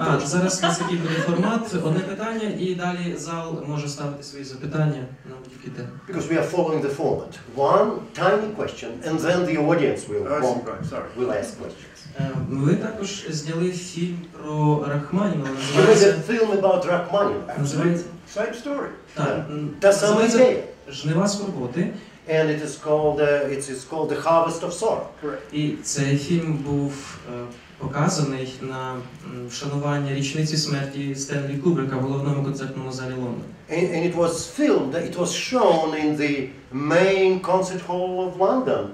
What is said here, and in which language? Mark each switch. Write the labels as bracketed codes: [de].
[uk] А, зараз такий буде формат, одне питання, і далі зал може ставити свої запитання на будь-які те. [en] Because we are following the format. One tiny question, and then the audience will ask questions. [uk] Ви також зняли фільм про Рахманінова, називається... [en] There is a film about Рахманінова. [uk] Називається... [en] Same story. [uk] Та сама ідея. Жнива скорботи. [en] And it is called the harvest of sorrow. Correct. [uk] І цей фільм був показаний на вшанування річниці смерті Стенлі Кубрика в головному концертному залі Лондона. [en] And it was filmed, it was shown in the main concert hall of London.